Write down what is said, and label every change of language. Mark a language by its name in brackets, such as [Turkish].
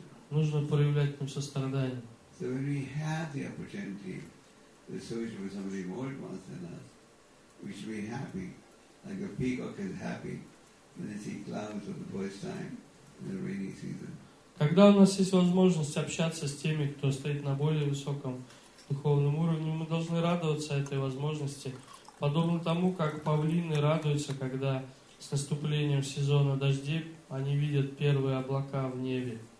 [Russian] Нужно проявлять к ним сострадание. [English] So when we have the opportunity to associate with somebody more advanced than us, we should be happy, like a peacock is happy when they see clouds for the first time in the rainy season. [Russian] Когда у нас есть возможность общаться с теми, кто стоит на более высоком духовном уровне, мы должны радоваться этой возможности, подобно тому, как павлины радуются, когда с наступлением сезона дождей они видят первые облака в небе.